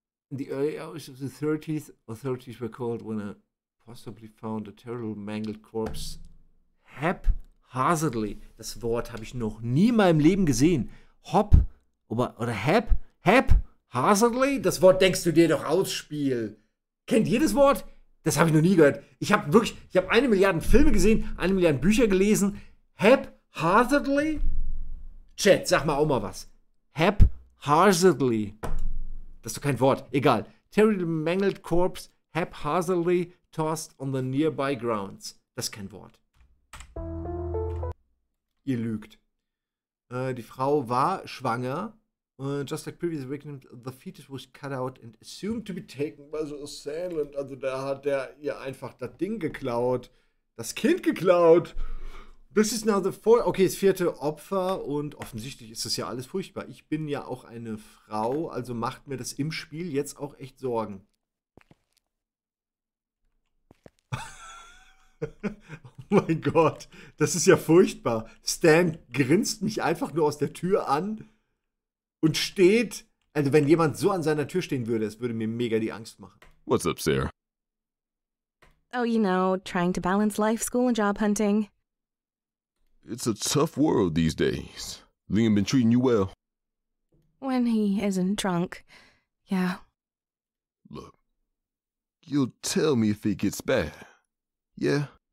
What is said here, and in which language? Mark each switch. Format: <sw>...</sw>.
<en>In the early hours of the 30s, authorities were called when a possibly found a terrible mangled corpse. Haphazardly.</en> <de>Das Wort habe ich noch nie in meinem Leben gesehen. Hop oder hap? Haphazardly? Das Wort denkst du dir doch aus, Spiel. Kennt jedes Wort? Das habe ich noch nie gehört. Ich habe wirklich, ich habe 1 Milliarde Filme gesehen, 1 Milliarde Bücher gelesen. Haphazardly? Chat, sag mal auch mal was. Haphazardly. Das ist doch kein Wort. Egal.</de> <en>Terrible mangled corpse haphazardly tossed on the nearby grounds.</en> <de>Das ist kein Wort. Ihr lügt. Die Frau war schwanger.</de> <en>Just like previous victims, the fetus was cut out and assumed to be taken by the assailant.</en> <de>Also da hat der ihr einfach das Ding geklaut. Das Kind geklaut.</de> <en>This is now the fourth.</en> <de>Okay, das vierte Opfer und offensichtlich ist das ja alles furchtbar. Ich bin ja auch eine Frau, also macht mir das im Spiel jetzt auch echt Sorgen. Oh mein Gott, das ist ja furchtbar. Stan grinst mich einfach nur aus der Tür an und steht. Also wenn jemand so an seiner Tür stehen würde, es würde mir mega die Angst machen.</de> <en>What's up, Sarah? Oh, you know, trying to balance life, school and job hunting. It's a tough world these days. Liam been treating you well. When he isn't drunk, yeah. Look, you'll tell me if it gets bad, yeah?</en>